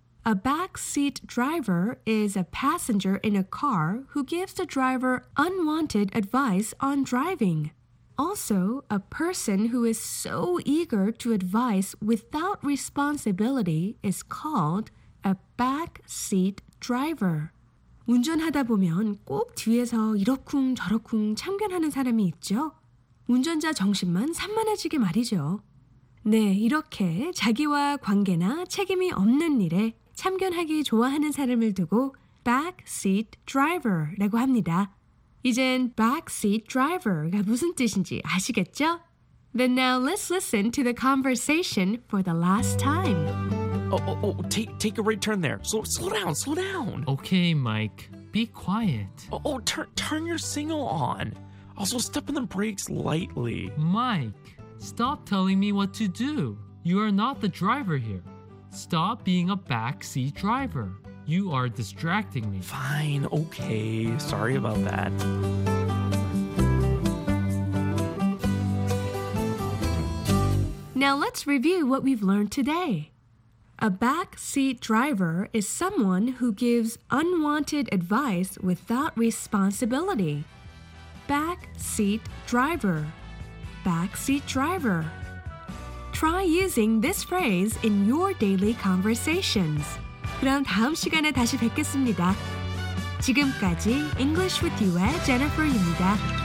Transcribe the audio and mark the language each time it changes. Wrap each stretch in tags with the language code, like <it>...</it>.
<en>A backseat driver is a passenger in a car who gives the driver unwanted advice on driving. Also, a person who is so eager to advise without responsibility is called a backseat driver.</en> <ko>운전하다 보면 꼭 뒤에서 이러쿵 저러쿵 참견하는 사람이 있죠. 운전자 정신만 산만해지게 말이죠. 네, 이렇게 자기와 관계나 책임이 없는 일에 참견하기 좋아하는 사람을 두고 backseat driver라고 합니다. 이젠 backseat driver가 무슨 뜻인지 아시겠죠?</ko> <en>Then now let's listen to the conversation for the last time. Take a right turn there. Slow down. Okay, Mike. Be quiet. Turn your signal on. Also, step on the brakes lightly. Mike, stop telling me what to do. You are not the driver here. Stop being a backseat driver. You are distracting me. Fine, okay. Sorry about that. Now let's review what we've learned today. A backseat driver is someone who gives unwanted advice without responsibility. Backseat driver. Backseat driver. Try using this phrase in your daily conversations.</en> <ko>그럼 다음 시간에 다시 뵙겠습니다. 지금까지 English with You의 Jennifer입니다.</ko>